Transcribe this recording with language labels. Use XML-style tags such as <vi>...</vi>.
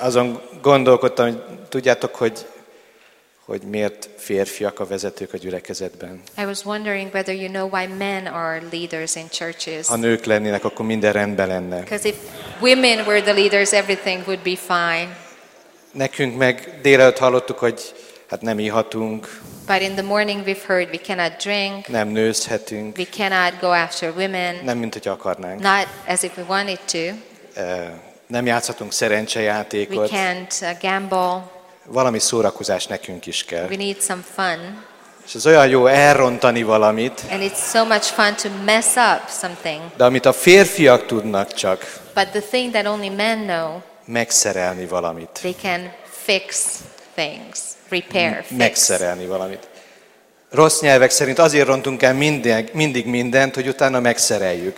<hu>Azon gondolkodtam, hogy tudjátok, hogy miért férfiak a vezetők a gyülekezetben.</hu> <en>I was wondering whether you know why men are leaders in churches.</en> <hu>Ha nők lennének, akkor minden rendben lenne.</hu> <en>Because if women were the leaders, everything would be fine.</en> <hu>Nekünk meg délelőtt hallottuk, hogy hát nem ihatunk.</hu> <en>But in the morning we've heard we cannot drink.</en> <hu>Nem nőzhetünk.</hu> <en>We cannot go after women.</en> <hu>Nem mint hogy akarnánk.</hu> <en>Not as if we wanted to.</en> <hu>Nem játszhatunk szerencsejátékot.</hu> <en>We can't gamble.</en> <hu>Valami szórakozás nekünk is kell.</hu> <en>We need some fun.</en> <hu>És ez olyan jó elrontani valamit.</hu> <en>And it's so much fun to mess up something.</en> <hu>De amit a férfiak tudnak csak.</hu> <en>But the thing that only men know.</en> <hu>Megszerelni valamit.</hu> <en>They can fix things. Repair,</en> <hu>megszerelni valamit. Rossz nyelvek szerint azért rontunk el mindig mindent, hogy utána megszereljük.</hu>